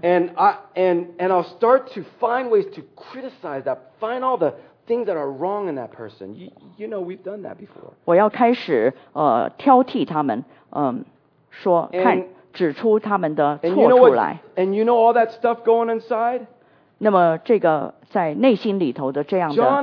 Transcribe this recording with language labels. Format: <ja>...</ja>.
<en>And I'll start to find ways to criticize that, find all the things that are wrong in that person. You know, we've done that before.</en> <zh>我要开始挑剔他们，说看。指出他们的错处来。</zh> <en>And you know all that stuff going inside?</en> <zh>那么这个在内心里头的这样的情况。</zh>